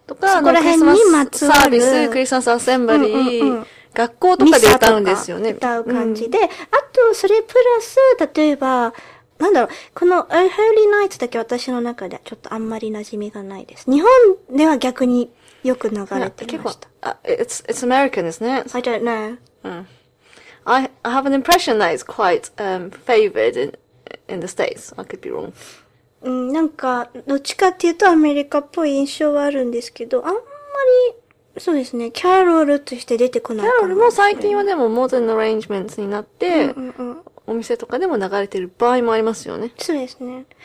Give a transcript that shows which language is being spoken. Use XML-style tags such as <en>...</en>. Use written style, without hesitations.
<ja>とかそこら辺にまつわるクリスマスサービスクリスマスアセンバリー、うんうんうん、学校とかで歌うんですよね歌う感じで、うん、あとそれプラス例えばなんだろうこの A Holy Night だけ私の中でちょっとあんまり馴染みがないです。日本では逆によく流れてました。</ja> <en>It's American, isn't it? I don't know.、 I have an impression that it's quite、favored in the States. I could be wrong.</en> <ja>なんか、どっちかっていうとアメリカっぽい印象はあるんですけど、あんまり、そうですね、キャロルとして出てこないかな。キャロルも最近はでも</ja> <en>Modern Arrangements</en> <ja>になって、うんうんうんお店とかでも流れてる場合もありますよね。そうですね。</ja>